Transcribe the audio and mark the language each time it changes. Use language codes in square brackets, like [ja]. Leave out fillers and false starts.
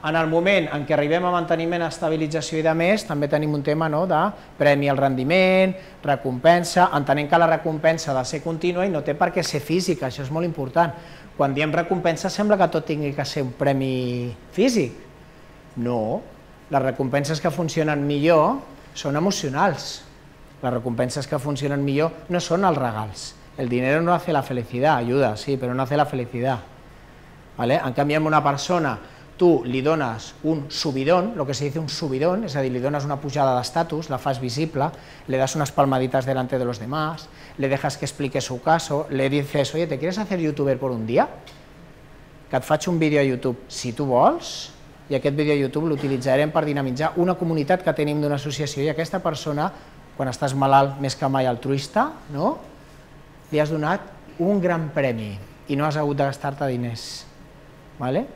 [ca] En el moment en què arribem a manteniment, estabilització i demés, també tenim un tema, no, de premi al rendiment, recompensa, entenent que la recompensa ha de ser contínua i no té per què ser física, això és molt important. Quan diem recompensa sembla que tot tingui que ser un premi físic. No, les recompenses que funcionen millor són emocionals. Les recompenses que funcionen millor no són els regals. El diner [es] no hace la felicidad, ayuda, sí, però no hace la felicidad. ¿Vale? [ca] En canvi, amb una persona, tu li dones un subidón, [es] lo que se dice un subidón, [ca] és a dir, li dones una pujada d'estatus, la fas visible, [es] le das unas palmaditas delante de los demás, le dejas que explique su caso, le dices, oye, ¿te quieres hacer youtuber por un día? [ca] Que et faig un vídeo a YouTube, si tu vols, i aquest vídeo a YouTube l'utilitzarem per dinamitzar una comunitat que tenim d'una associació, i aquesta persona, quan estàs malalt, més que mai altruista, no? Li has donat un gran premi i no has hagut de gastar-te diners. Vale?